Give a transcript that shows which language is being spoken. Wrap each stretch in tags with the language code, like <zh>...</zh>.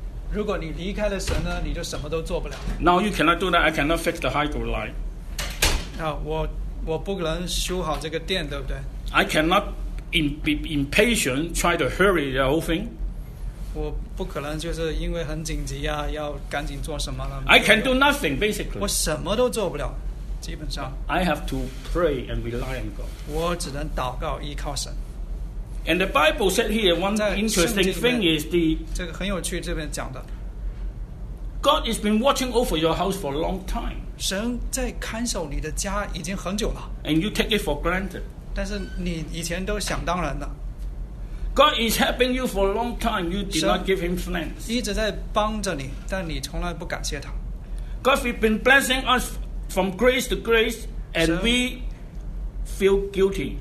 <zh>如果你离开了神呢，你就什么都做不了。</zh> <en>Now you cannot do that. I cannot fix the hydro line.</en> <zh>啊，我不能修好这个电，对不对</zh> <en>？I cannot be impatient, try to hurry the whole thing.</en> <zh>我不可能就是因为很紧急啊，要赶紧做什么了。</zh> <en>I can do nothing basically.</en> <zh>我什么都做不了，基本上。</zh> <en>I have to pray and rely on God.</en> <zh>我只能祷告依靠神。</zh> <en>And the Bible said here one interesting thing is the</en> <zh>这个很有趣，这边讲的。</zh> <en>God has been watching over your house for a long time.</en> <zh>神在看守你的家已经很久了。</zh> <en>And you take it for granted.</en> <zh>但是你以前都想当然的。</zh> <en>God is helping you for a long time. You did not give him thanks.</en> <zh>一直在帮着你，但你从来不感谢他。</zh> <en>God has been blessing us from grace to grace, and we feel guilty.</en>